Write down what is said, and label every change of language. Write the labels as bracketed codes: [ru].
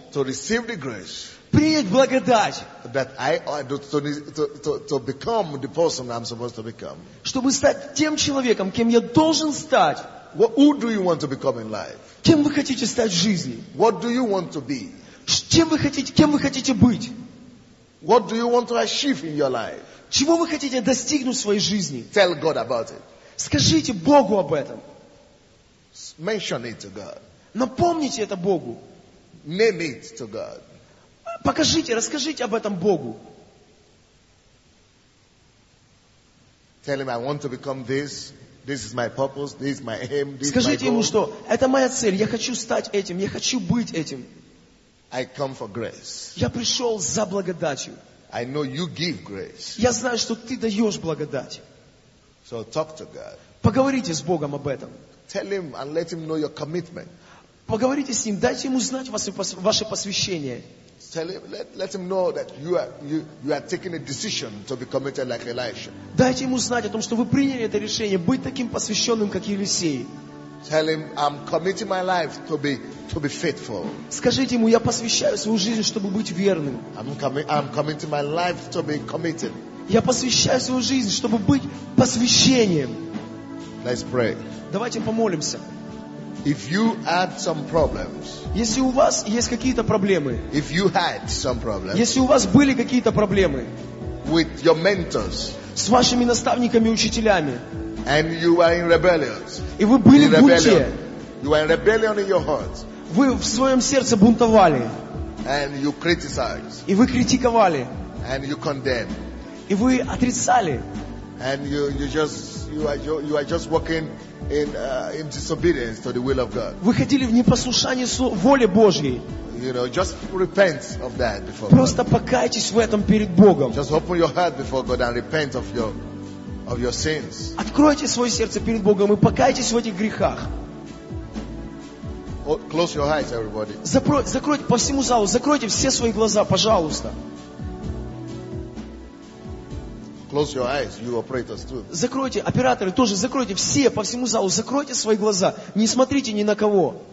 [en] To receive the grace. [ru] Принять благодать. [en] That I to become the person I'm supposed to become. [ru] Чтобы стать тем человеком, кем я должен стать. [en] What, who do you want to become in life? [ru] Кем вы хотите стать в жизни? [en] What do you want to be? [ru] Кем вы хотите быть? [en] What do you want to achieve in your life? [ru] Чего вы хотите достигнуть в своей жизни? [en] Tell God about it. [ru] Скажите Богу об этом. [en] Mention it to God. [ru] Напомните это Богу. [en] Name it to God. [ru] Покажите, расскажите об этом Богу. [en] Tell him I want to become this. This is my purpose. This is my aim. This [ru] Скажите [en] is my [ru] ему, [en] goal. [ru] Что это моя цель. Я хочу стать этим. Я хочу быть этим. [en] I come for grace. [ru] Я пришел за благодатью. [en] I know you give grace. [ru] Я знаю, что ты даешь благодать. [en] So talk to God. [ru] Поговорите с Богом об этом. [en] Tell him and let him know your commitment. [ru] Поговорите с ним, дайте ему знать ваше посвящение. [en] Tell him, let him know that you are taking a decision to be committed like Elisha. [ru] Дайте ему знать о том, что вы приняли это решение быть таким посвященным, как Елисей. [en] Tell him I'm committing my life to be faithful. [ru] Скажите ему, я посвящаю свою жизнь, чтобы быть верным. [en] I'm committing my life to be committed. [ru] Я посвящаю свою жизнь, чтобы быть посвящением. [en] Let's pray. [ru] Давайте помолимся. [en] If you had some problems. [ru] Если у вас есть какие-то проблемы. [en] If you had some problems. [ru] Если у вас были какие-то проблемы. [en] With your mentors. [ru] С вашими наставниками и учителями. [en] And you are in rebellion. [ru] И вы были в бунте. [en] You are in rebellion in your heart. [ru] Вы в своем сердце бунтовали. [en] And you criticize. [ru] И вы критиковали. [en] And you condemn. [ru] И вы отрицали. [en] And you are just walking in disobedience to the will of God. [ru] Выходили в непослушание воле Божьей. [en] You know, just repent of that before. [ru] Просто покайтесь в этом перед Богом. [en] Just open your heart before God and repent of your sins. [ru] Откройте свое сердце перед Богом и покайтесь в этих грехах. [en] Close your eyes, everybody. [ru] Закройте по всему залу, закройте все свои глаза, пожалуйста. [en] Close your eyes, you operators too. [ru] Закройте, операторы тоже, закройте все по всему залу, закройте свои глаза, не смотрите ни на кого.